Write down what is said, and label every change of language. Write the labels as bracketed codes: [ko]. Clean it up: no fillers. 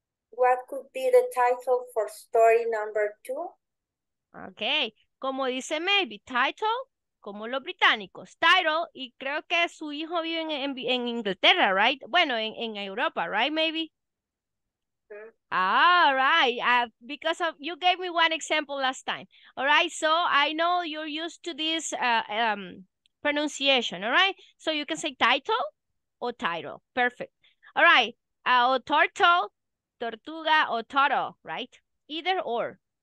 [en] What could be the title for story number two? [es] Okay, como dice maybe, title, como los británicos. Title, y creo que su hijo vive en Inglaterra, right? Bueno, en Europa, [en] right, maybe? All right, because of you gave me one example last time. All right, so I know you're used to this pronunciation. All right, so you can say title or title. Perfect. All right, or turtle, tortuga, or toro, right? Either or.